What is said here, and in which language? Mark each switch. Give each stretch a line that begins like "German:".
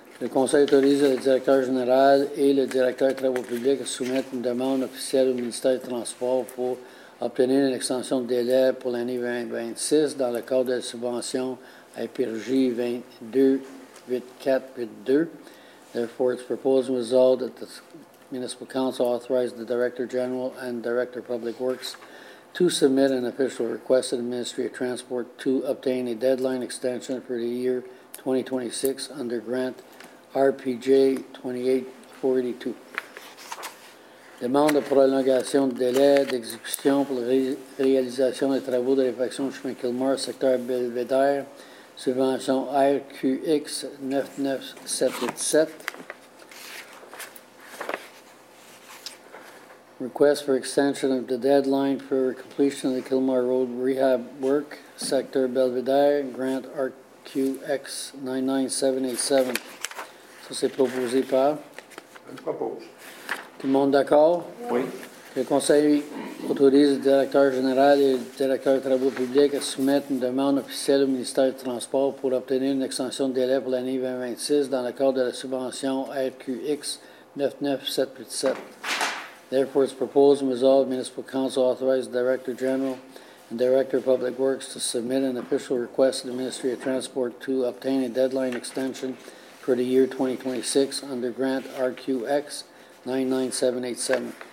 French: Le conseil autorise le directeur général et le directeur des travaux publics à soumettre une demande officielle au ministère des Transports pour obtenir une extension de délai pour l'année 2026 dans le cadre de la subvention IPRJ 228482.
English: Therefore, it's proposed and resolved that the Municipal Council authorize the Director General and Director of Public Works to submit an official request to the Ministry of Transport to obtain a deadline extension for the year 2026 under grant RPJ 28482.
French: Demande de prolongation de délai d'exécution pour la réalisation des travaux de réfection du chemin Kilmer, secteur Belvédère, subvention RQX 99787.
English: Request for extension of the deadline for completion of the Kilmer Road Rehab Work, Sector Belvedere, grant RQX 99787.
French: Ça, c'est proposé par? Je propose. Tout le monde d'accord? Oui. Le conseil autorise le directeur général et le directeur des travaux publics à soumettre une demande officielle au ministère des Transports pour obtenir une extension de délai pour l'année 2026 dans le cadre de la subvention RQX 99787.
English: Therefore, it's proposed and resolved Municipal Council authorize the Director General and Director of Public Works to submit an official request to the Ministry of Transport to obtain a deadline extension for the year 2026 under grant RQX 99787.